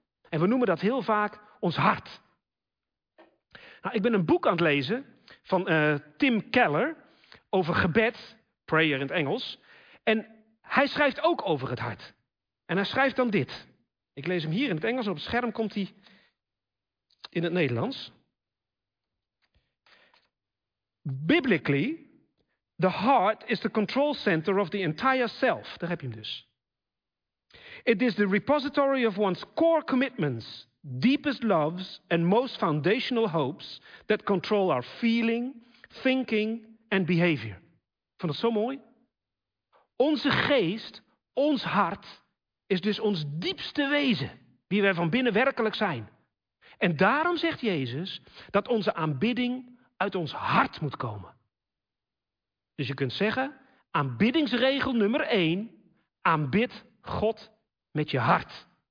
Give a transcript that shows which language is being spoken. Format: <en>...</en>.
<nl>En we noemen dat heel vaak ons hart. Nou, ik ben een boek aan het lezen van Tim Keller over gebed, prayer in het Engels. En hij schrijft ook over het hart. En hij schrijft dan dit. Ik lees hem hier in het Engels. Op het scherm komt hij in het Nederlands.</nl> <en>Biblically, the heart is the control center of the entire self.</en> <nl>Daar heb je hem dus.</nl> <en>It is the repository of one's core commitments, deepest loves and most foundational hopes that control our feeling, thinking and behavior.</en> <nl>Vond dat zo mooi? Onze geest, ons hart, is dus ons diepste wezen, wie wij van binnen werkelijk zijn. En daarom zegt Jezus dat onze aanbidding uit ons hart moet komen. Dus je kunt zeggen, aanbiddingsregel nummer 1, aanbid God met je hart.</nl>